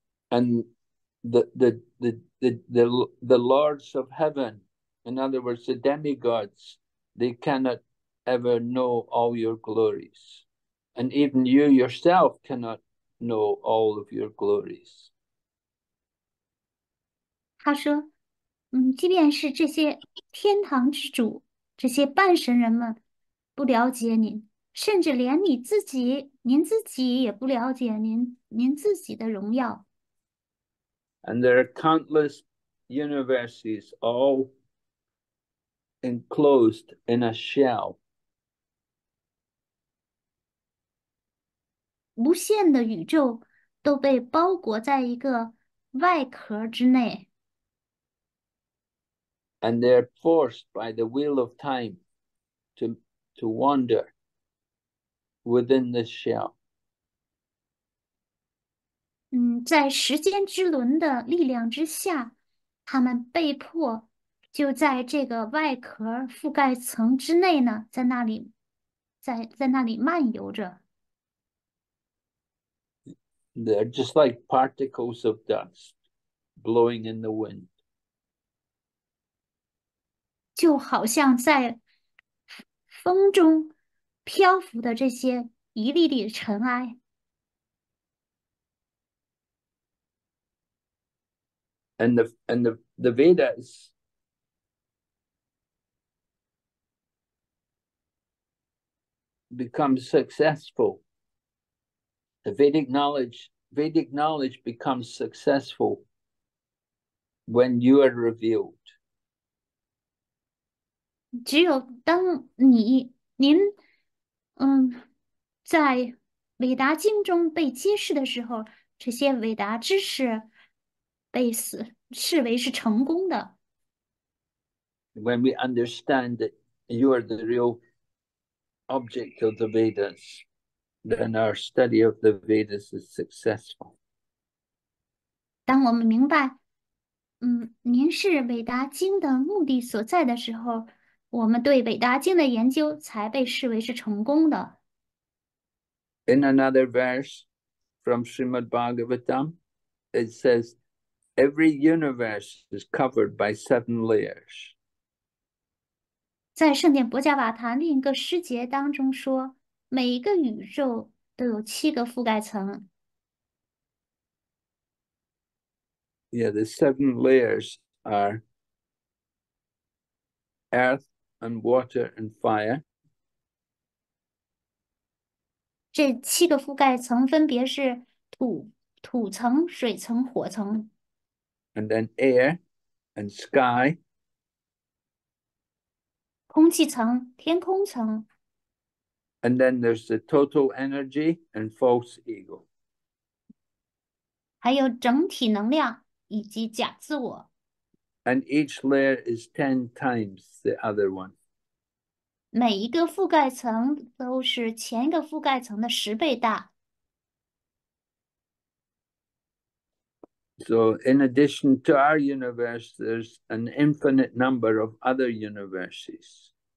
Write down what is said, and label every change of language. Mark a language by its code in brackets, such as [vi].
[en] And the lords of heaven, in other words, the demigods, they cannot ever know all your glories. And even you yourself cannot know all of your glories. [zh] 他说：“即便是这些。” 天堂之主，这些半神人们不了解您，甚至连你自己，您自己也不了解您自己的荣耀。 [en] And there are countless universes all enclosed in a shell. [zh] 无限的宇宙都被包裹在一个外壳之内。 [en] And they're forced by the wheel of time to wander within the shell. [zh] 在时间之轮的力量之下，他们被迫就在这个外壳覆盖层之内呢，在那里，在那里漫游着。 [en] They're just like particles of dust blowing in the wind. [zh] 就好像在风中漂浮的这些一粒粒尘埃。 [en] And the Vedas become successful. The Vedic knowledge becomes successful when you are revealed. [zh] 只有当您在韦达经中被揭示的时候，这些韦达知识被视为是成功的。 [en] When we understand that you are the real object of the Vedas. Then our study of the Vedas is successful. [zh] 当我们明白，您是韦达经的目的所在的时候。我们对韦达经的研究才被视为是成功的。 [en] In another verse from Srimad Bhagavatam, it says, every universe is covered by seven layers. [zh] 在圣殿波迦瓦坛另一个诗节当中说，每一个宇宙都有七个覆盖层。 [en] Yeah, the seven layers are earth and water and fire. [zh] 这七个覆盖层分别是土层、水层、火层。 [en] And then air and sky. [zh] 空气层、天空层。 [en] And then there's the total energy and false ego. [zh] 还有整体能量以及假自我。 [en] And each layer is 10 times the other one. [zh] 每一个覆盖层都是前一个覆盖层的10倍大。 [en] So, in addition to our universe, there's an infinite number of other universes.